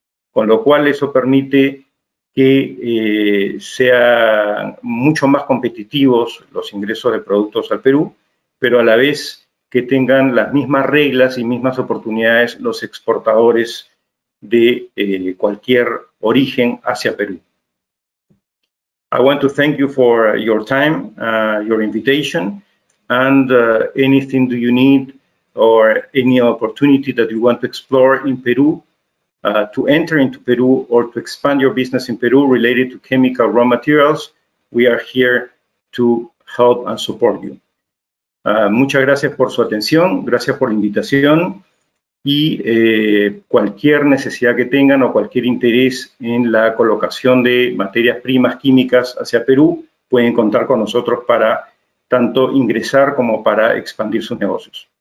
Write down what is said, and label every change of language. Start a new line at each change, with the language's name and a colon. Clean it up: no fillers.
Spanish: Con lo cual eso permite que sean mucho más competitivos los ingresos de productos al Perú, pero a la vez que tengan las mismas reglas y mismas oportunidades los exportadores de cualquier origen hacia Perú.
English: I want to thank you for your time, your invitation, and anything do you need or any opportunity that you want to explore in Peru, to enter into Peru or to expand your business in Peru related to chemical raw materials, we are here to help and support you.
Spanish: Muchas gracias por su atención, gracias por la invitación y cualquier necesidad que tengan o cualquier interés en la colocación de materias primas químicas hacia Perú, pueden contar con nosotros para tanto ingresar como para expandir sus negocios.